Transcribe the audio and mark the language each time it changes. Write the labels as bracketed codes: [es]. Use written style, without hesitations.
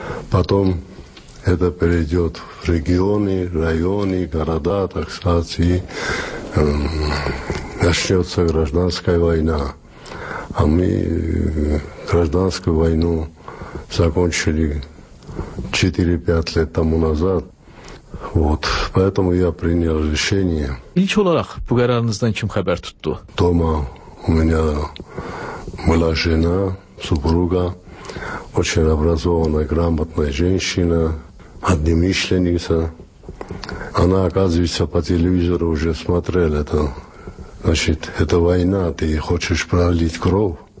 [ru] потом это перейдет в регионы, районы, города, так сказать, и начнется гражданская война. А мы гражданскую войну закончили 4-5 лет тому назад. Вот, поэтому я принял решение. [tr] İlk olarak bu kararınızdan kim haber tuttu? [ru] Дома у меня была жена, супруга, очень образованная, грамотная женщина, однемышленница. Она, оказывается, по телевизору уже смотрела это. Значит, это война, ты хочешь пролить кровь?